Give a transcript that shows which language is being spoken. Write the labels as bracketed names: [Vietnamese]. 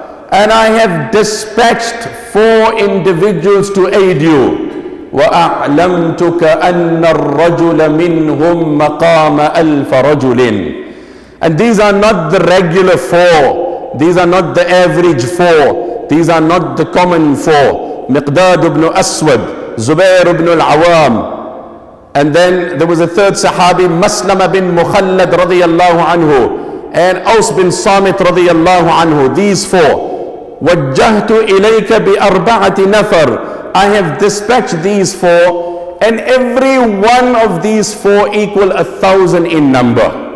[English] And I have dispatched four individuals to aid you. [Arabic] وَأَعْلَمْتُكَ أَنَّ الرَّجُلَ مِنْهُمْ مَقَامَ أَلْفَ رَجُلٍ. [English] And these are not the regular four. These are not the average four. These are not the common four. [Arabic] مقداد بن أسود, زبير بن العوام. [English] And then there was a third Sahabi, مسلم بن مخلد رضي الله عنه. And Aus bin Samit radiyallahu anhu, these four. [Arabic] وَجَّهْتُ إِلَيْكَ بِأَرْبَعَةِ نَفَرِ. [English] I have dispatched these four, and every one of these four equal 1,000 in number.